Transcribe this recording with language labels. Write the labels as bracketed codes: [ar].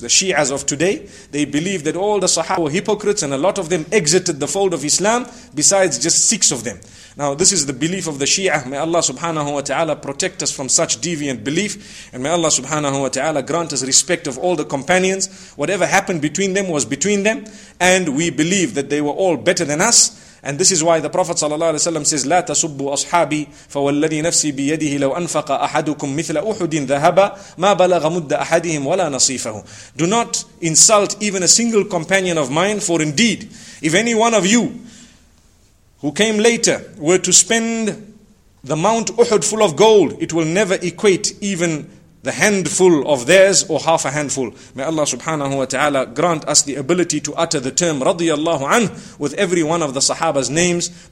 [en] The Shias of today, they believe that all the Sahaba were hypocrites and a lot of them exited the fold of Islam, besides just six of them. Now this is the belief of the Shia. May Allah subhanahu wa ta'ala protect us from such deviant belief. And may Allah subhanahu wa ta'ala grant us respect of all the companions. Whatever happened between them was between them. And we believe that they were all better than us. And this is why the Prophet sallallahu alaihi wasallam says, [ar] لا تسبوا أصحابي فوالذي نفسي بيده لو أنفق أحدكم مثل أحد ذهبا ما بلغ مد أحدهم ولا نصيفه. [en] Do not insult even a single companion of mine, for indeed, if any one of you who came later were to spend the Mount Uhud full of gold, it will never equate even the handful of theirs or half a handful. May Allah subhanahu wa ta'ala grant us the ability to utter the term radiyallahu anhu with every one of the sahaba's names.